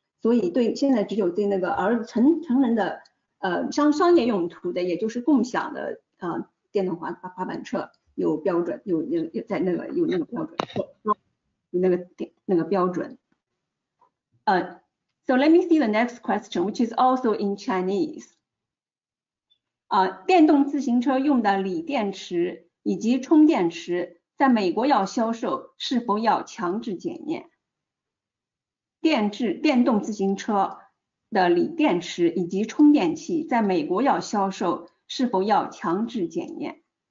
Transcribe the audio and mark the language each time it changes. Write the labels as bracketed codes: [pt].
[zh] 所以对现在只有对那个成人的商业用途的，也就是共享的电动滑板车有标准，有在那个有那个标准，那个标准。 [en] So let me see the next question, which is also in Chinese. [zh] 电动自行车用的锂电池以及充电池在美国要销售，是否要强制检验？电动自行车的锂电池以及充电器在美国要销售，是否要强制检验？